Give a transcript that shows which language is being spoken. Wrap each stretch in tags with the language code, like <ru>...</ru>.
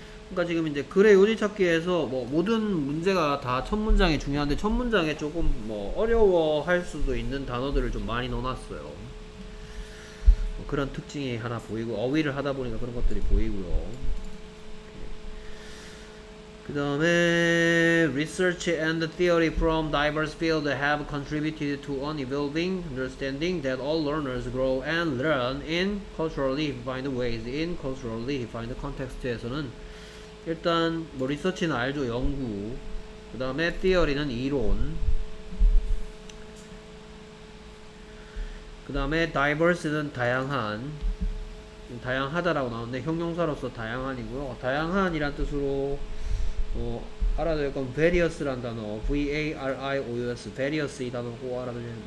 <ko>그러니까 지금 이제 글의 요지찾기에서 뭐 모든 문제가 다 첫 문장이 중요한데 첫 문장에 조금 뭐 어려워 할 수도 있는 단어들을 좀 많이 넣어놨어요. 뭐 그런 특징이 하나 보이고 어휘를 하다 보니까 그런 것들이 보이고요.</ko> <en>그 다음에 Research and theory from diverse fields have contributed to an evolving understanding that all learners grow and learn in culturally defined ways, in culturally defined context에서는</en> <ko>일단 뭐 리서치는 알죠, 연구. 그 다음에 theory는 이론. 그 다음에 diverse는 다양한. 다양하다라고 나오는데 형용사로서 다양한이고요. 다양한이란 뜻으로 알아둘 건 various란 단어, V-A-R-I-O-U-S, various 이 단어 꼭 알아두셔야 돼요.</ko>